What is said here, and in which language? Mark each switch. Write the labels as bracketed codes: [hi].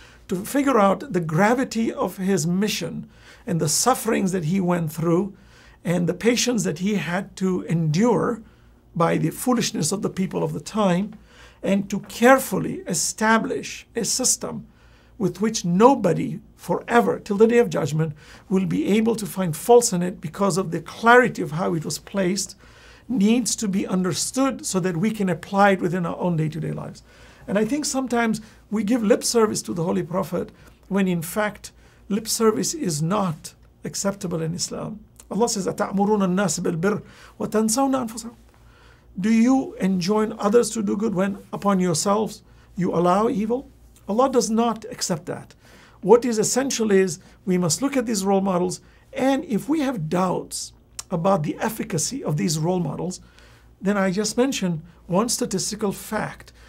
[en] to figure out the gravity of his mission and the sufferings that he went through and the patience that he had to endure by the foolishness of the people of the time, and to carefully establish a system with which nobody forever till the day of judgment will be able to find faults in it because of the clarity of how it was placed, needs to be understood so that we can apply it within our own day-to-day lives. And I think sometimes we give lip service to the Holy Prophet when in fact lip service is not acceptable in Islam. Allah says, [ar] أَتَعْمُرُونَ النَّاسِ بِالْبِرِّ وَتَنْسَوْنَ أَنفُسَهُمْ. [en] Do you enjoin others to do good when upon yourselves you allow evil? Allah does not accept that. What is essential is we must look at these role models, and if we have doubts about the efficacy of these role models, then I just mentioned one statistical fact.